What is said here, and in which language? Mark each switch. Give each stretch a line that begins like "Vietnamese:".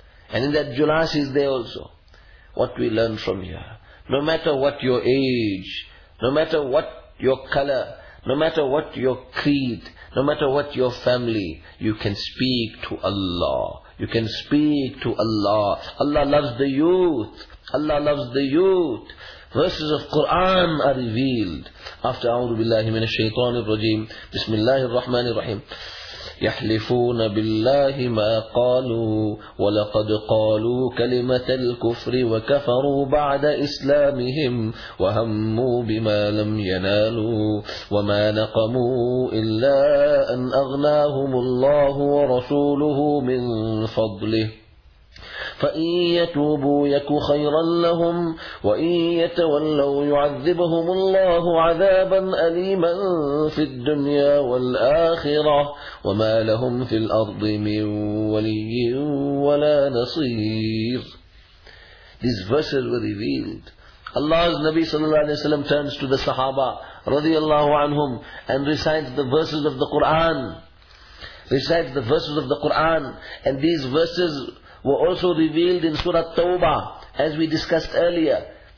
English: And in that, Julas is there also. What we learn from here: no matter what your age, no matter what your color, no matter what your creed, no matter what your family, you can speak to Allah. You can speak to Allah. Allah loves the youth. Allah loves the youth. Verses of Quran are revealed.
Arabic: After A'udhu Billahi Minash Shaitanir Rajeem, Bismillahir Rahmanir Rahim. يحلفون بالله ما قالوا ولقد قالوا كلمة الكفر وكفروا بعد إسلامهم وهموا بما لم ينالوا وما نقموا إلا أن أغناهم الله ورسوله من فضله فإن يتوبوا يك خيرا لهم وإن يتولوا يعذبهم الله عذابا أليما في الدنيا والآخرة وما لهم في الأرض من ولي ولا نصير.
English: These verses were revealed. Allah's Nabi sallallahu alayhi wa sallam turns to the Sahaba radiallahu anhum and recites the verses of the Quran. Recites the verses of the Quran, and these verses were also revealed in Surah Tawbah, as we discussed earlier.